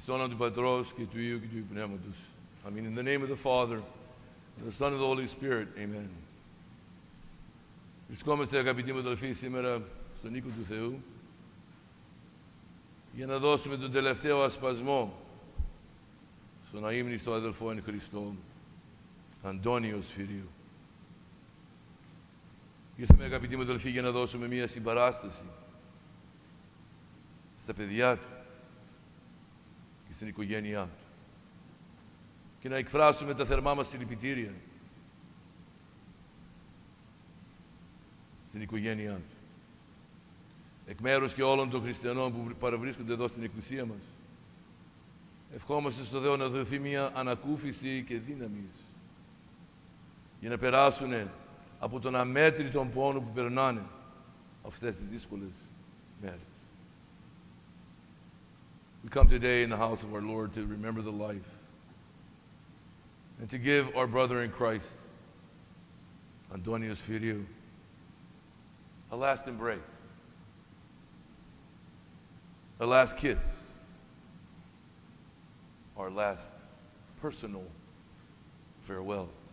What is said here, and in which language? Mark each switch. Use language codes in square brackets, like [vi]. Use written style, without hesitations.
[el] Του Πατρός και του Υιού και του Πνεύματος. [en] In the name of the Father, the Son, and the Holy Spirit. Amen. [el] Βρισκόμαστε, αγαπητοί μου αδελφοί, σήμερα στον οίκο του Θεού για να δώσουμε τον τελευταίο ασπασμό στον αείμνηστο αδελφό εν Χριστώ, Αντώνιο Σφυρίου. Ήρθαμε, αγαπητοί μου αδελφοί, για να δώσουμε μία συμπαράσταση στα παιδιά του και στην οικογένειά του και να εκφράσουμε τα θερμά μας συλληπιτήρια στην οικογένειά του. Εκ μέρους και όλων των χριστιανών που παραβρίσκονται εδώ στην Εκκλησία μας, ευχόμαστε στο Θεό να δοθεί μία ανακούφιση και δύναμη για να περάσουν από τον αμέτρητο πόνο που περνάνε αυτές τις δύσκολες μέρες. [en] We come today in the house of our Lord to remember the life and to give our brother in Christ, Antonios Firiou, a last embrace, a last kiss, our last personal farewell.